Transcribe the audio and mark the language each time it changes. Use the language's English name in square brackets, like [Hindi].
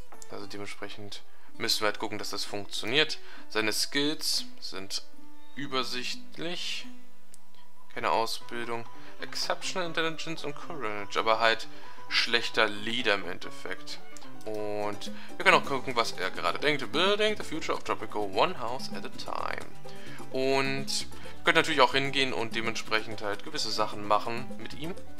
[German] Also dementsprechend müssen wir halt gucken, dass das funktioniert. Seine Skills sind übersichtlich. Keine Ausbildung. Exceptional Intelligence und Courage. Aber halt schlechter Leader im Endeffekt. Und wir können auch gucken, was er gerade denkt. [English] Building the future of Tropico one house at a time. [German] Und wir können natürlich auch hingehen und dementsprechend halt gewisse Sachen machen mit ihm.